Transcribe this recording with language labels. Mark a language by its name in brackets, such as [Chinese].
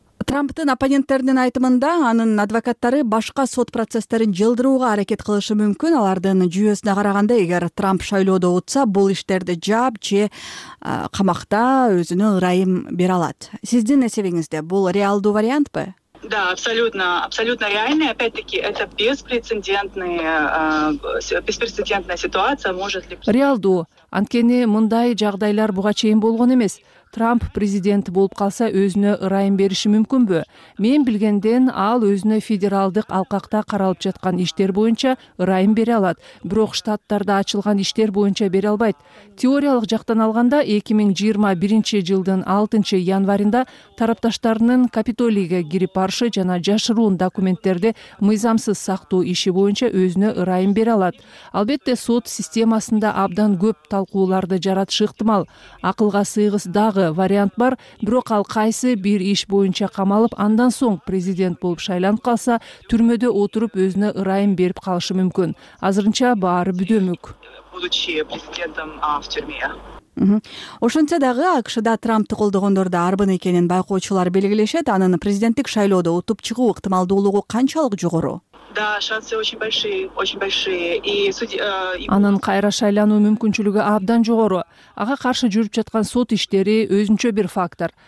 [Kyrgyz] Трамптын оппоненттеринин айтымында анын адвокаттары башка сот процесстерин жылдырууга аракет кылышы мүмкүн. Алардын жүйөсүнө караганда, эгер Трамп шайлоодо утса, бул иштерди жаап же камакта өзүнө ырайым бере алат. Сиздин эсебиңизде бул реалдуу вариантпы? [Russian] Да, абсолютно реальный. Опять-таки, это беспрецедентная ситуация. Может ли... [Kyrgyz] Реалдуу. Анткени мындай жагдайлар буга чейин болгон эмес. Трамп президент болуп калса, өзүнө ырайым бериши мүмкүнбү? Мен билгенден ал өзүнө федералдык алкакта каралып жаткан иштер боюнча ырайым бере алат, бирок штаттарда ачылган иштер боюнча бере албайт. Теориялык жактан алганда 2021 жылдын 6 январында тарапташтарынын Капитолийге кирип барышы жана жашыруун документтерди мыйзамсыз сактоо иши боюнча өзүнө ырайым бере алат. Албетте, сот системасында абдан көп талкууларды жаратышы ыктымал. Акылга сыйгыс дагы вариант бар, бирок ал кайсы бир иш боюнча камалып, андан соң президент болуп шайланып калса, түрмөдө отуруп өзүнө ырайым берип калышы мүмкүн. Азырынча баары бүдөмүк. [Russian] Будучи президентом в тюрьме. [Kyrgyz] Ошентсе дагы АКШда Трампты колдогондор да арбын экенин байкоочулар белгилешет. Анын президенттик шайлоодо утуп чыгуу ыктымалдуулугу канчалык жогору? [Russian] Да, шансы очень большие. [Kyrgyz] Анын кайра шайлануу мүмкүнчүлүгү абдан жогору. Ага каршы жүрүп жаткан сот иштери өзүнчө бир фактор.